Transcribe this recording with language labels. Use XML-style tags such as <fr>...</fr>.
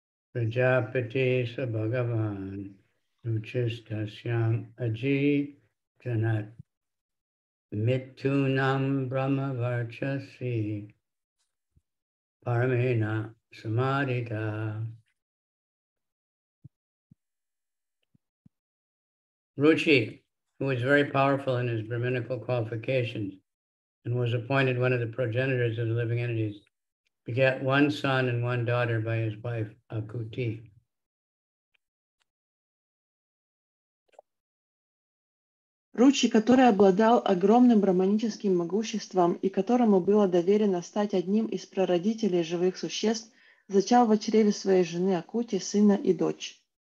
<sa>Прджапатиса Бхагаван Учистасян Аджи Джанат Митунам Брахма Варчаси Парамена Самадита.</sa> <en>Ruchi, who was very powerful in his brahminical qualifications and was appointed one of the progenitors of the living entities, begat one son and one daughter by his wife, Akuti.</en> <ru>Ruchi, который обладал огромным брахманическим могуществом и которому было доверено стать одним из прародителей живых существ, зачал в чреве своей жены Акути сына и дочь.</ru>